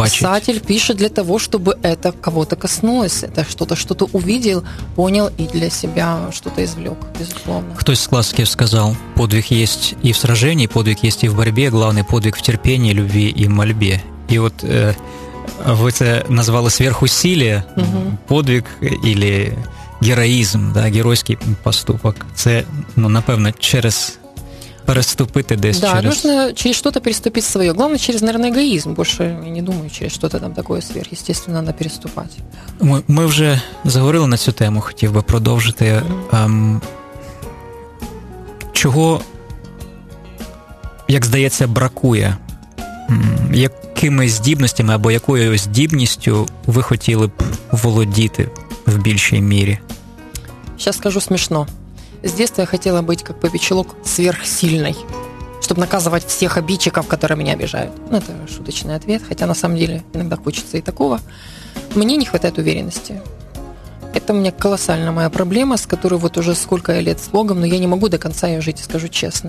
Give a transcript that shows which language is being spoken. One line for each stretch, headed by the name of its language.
Russian: Писатель пишет для того, чтобы это кого-то коснулось, это что-то увидел, понял и для себя что-то извлек, безусловно. Кто-то из классиков сказал, подвиг есть и в сражении, подвиг есть и в борьбе, главный подвиг в терпении, любви и мольбе. И вот вы это назвали сверхусилие, угу. Подвиг или
Ukrainian: героїзм, да, геройський поступок. Це, ну, напевно, через переступити десь, да, через... Так, потрібно через щось переступити своє. Головне, через, мабуть, егоїзм. Більше, я не думаю, через щось там таке сверхъестественне треба переступати. Ми вже заговорили на цю тему, хотів би продовжити. Чого, як здається, бракує? Якими здібностями або якою здібністю ви хотіли б володіти в більшій мірі?
Russian: Сейчас скажу смешно. С детства я хотела быть как попечелок сверхсильной, чтобы наказывать всех обидчиков, которые меня обижают. Ну, это шуточный ответ, хотя на самом деле иногда хочется и такого. Мне не хватает уверенности. Это у меня колоссальная моя проблема, с которой вот уже сколько лет с Богом, но я не могу до конца ее жить, скажу честно.